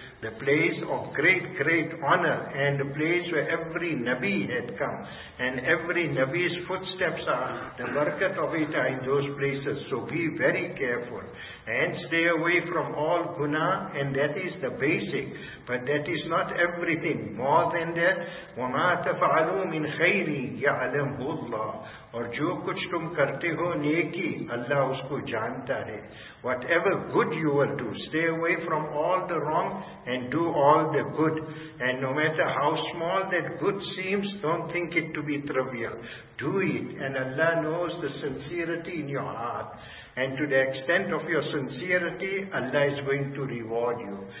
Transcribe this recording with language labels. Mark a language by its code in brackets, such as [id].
[en] The place of great, great honor, and the place where every Nabi had come. And every Nabi's footsteps are the barakat of it are in those places. So be very careful. And stay away from all guna, and that is the basic. But that is not everything. More than that, [ar] وَمَا تَفَعَلُوا مِنْ خَيْرٍ يَعْلَمْهُ اللَّهُ. [ur] Or جو کچھ تم کرتے ہو نیکی, Allah اس کو جانتا ہے. [en] Whatever good you will do, stay away from all the wrong and do all the good. And no matter how small that good seems, don't think it to be trivial. Do it, and Allah knows the sincerity in your heart. And to the extent of your sincerity, Allah is going to reward you.